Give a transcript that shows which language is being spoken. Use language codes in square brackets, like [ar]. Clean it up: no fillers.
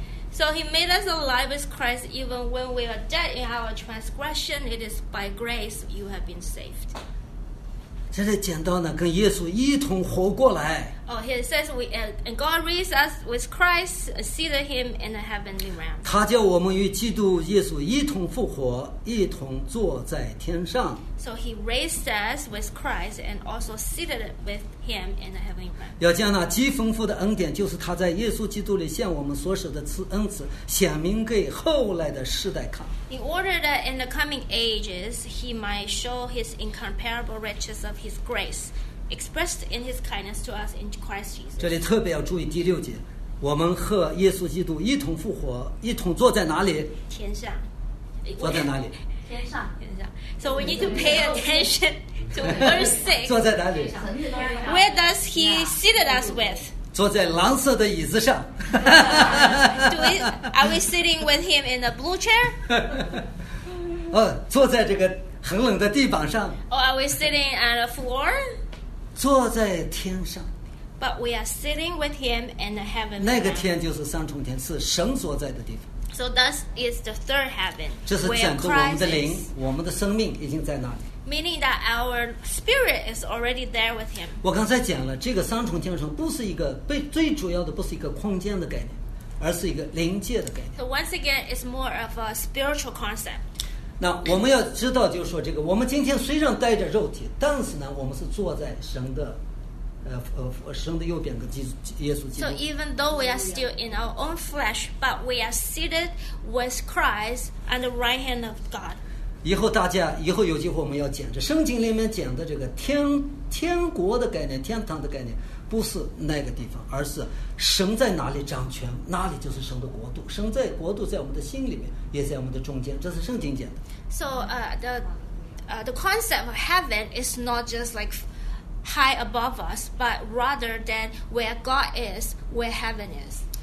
[en] So he made us alive with Christ even when we are dead in our transgression. It is by grace you have been saved. [zh] 这里讲到呢，跟耶稣一同活过来。 [en] Oh, he says we and God raised us with Christ, seated him in the heavenly realm. [zh] 他叫我们与基督耶稣一同复活，一同坐在天上。 [en] So he raised us with Christ and also seated with him in the heavenly realm. [zh] 要将那极丰富的恩典，就是他在耶稣基督里向我们所舍的赐恩赐，显明给后来的世代看。 [en] In order that in the coming ages he might show his incomparable riches of his grace. Expressed in his kindness to us in Christ Jesus. [zh] 这里特别要注意第六节，我们和耶稣基督一同复活，一同坐在哪里？天上。坐在哪里？天上。 [en] So we need to pay attention to verse 6. [zh] 坐在哪里？ [en] Where does he seated us with? [zh] 坐在蓝色的椅子上。 [en] Are we sitting with him in a blue chair? [zh] 坐在这个很冷的地板上。 [en] Oh, are we sitting on a floor? [zh] 坐在天上 [en] But we are sitting with him in the heaven. [zh] 那个天就是三重天，是神所在的地方。 [en] So thus is the third heaven. [zh] 这是讲的我们的灵，我们的生命已经在那里。 [en] Meaning that our spirit is already there with him. [zh] 我刚才讲了，这个三重天上不是一个被最主要的，不是一个空间的概念，而是一个灵界的概念。 [en] So once again, it's more of a spiritual concept. [zh] 那我们要知道，就是说这个，我们今天虽然带着肉体，但是呢，我们是坐在神的，神的右边跟耶稣基督。 [en] So even though we are still in our own flesh, but we are seated with Christ on the right hand of God. [zh] 以后大家以后有机会我们要讲，这圣经里面讲的这个天国的概念，天堂的概念，不是那个地方，而是神在哪里掌权，哪里就是神的国度。神在国度在我们的心里面，也在我们的中间。这是圣经讲的。 [en] So the concept of heaven is not just like high above us, but rather than where God is, where heaven is.